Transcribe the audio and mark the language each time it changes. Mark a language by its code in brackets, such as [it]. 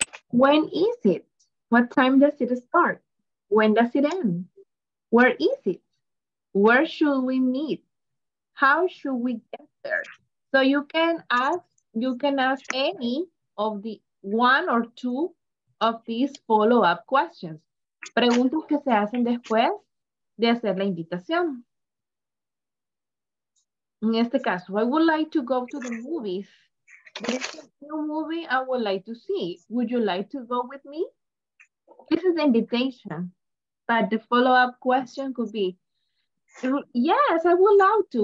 [en] When is it? What time does it start? When does it end? Where is it? Where should we meet? How should we get there? So you can ask any of the one or two of these follow-up questions. [es] Preguntas que se hacen después de hacer la invitación. En este caso, [en] I would like to go to the movies. This is a new movie I would like to see. Would you like to go with me? This is the invitation, but the follow-up question could be, yes, I would love to.